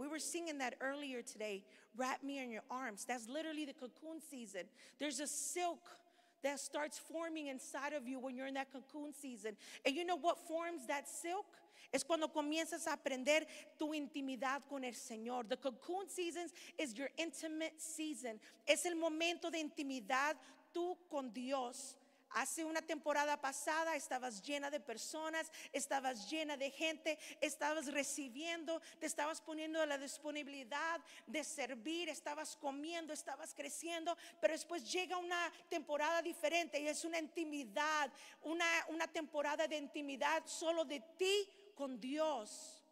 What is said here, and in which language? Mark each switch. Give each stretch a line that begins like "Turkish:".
English: We were singing that earlier today, wrap me in your arms. That's literally the cocoon season. There's a silk that starts forming inside of you when you're in that cocoon season. And you know what forms that silk?
Spanish: Es cuando comienzas a aprender tu intimidad con el Señor.
English: The cocoon season is your intimate season.
Spanish: Es el momento de intimidad tú con Dios. Hace una temporada pasada estabas llena de personas, estabas llena de gente, estabas recibiendo, te estabas poniendo a la disponibilidad de servir, estabas comiendo, estabas creciendo, pero después llega una temporada diferente y es una intimidad, una temporada de intimidad solo de ti con Dios.